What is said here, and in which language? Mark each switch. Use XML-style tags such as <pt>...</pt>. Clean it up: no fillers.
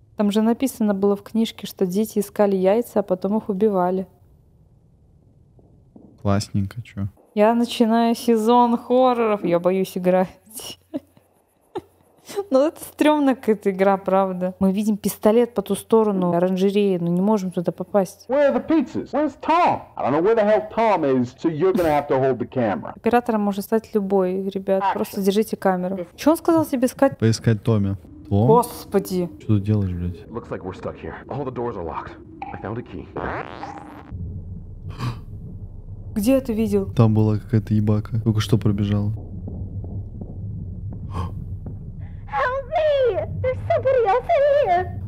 <ru>Там же написано было в книжке, что дети искали яйца, а потом их убивали. Классненько, чё? Я начинаю сезон хорроров. Я боюсь играть. Ну, это стрёмная какая-то игра, правда. Мы видим пистолет по ту сторону оранжереи, но не можем туда попасть.</ru> <en>Where are the pizzas? Where's Tom? I don't know where the hell Tom is, so you're gonna have to hold the camera.</en> <ru>Оператором может стать любой, ребят. Просто держите камеру. Чё он сказал себе искать? Поискать Томми. О? Господи. Что ты делаешь, блядь?</ru> <en>Looks like we're stuck here. All the doors are locked. I found a key.</en> <ru>Где это видел? Там была какая-то ебака. Только что пробежала.</ru> <en>Help me! There's somebody else in here!</en>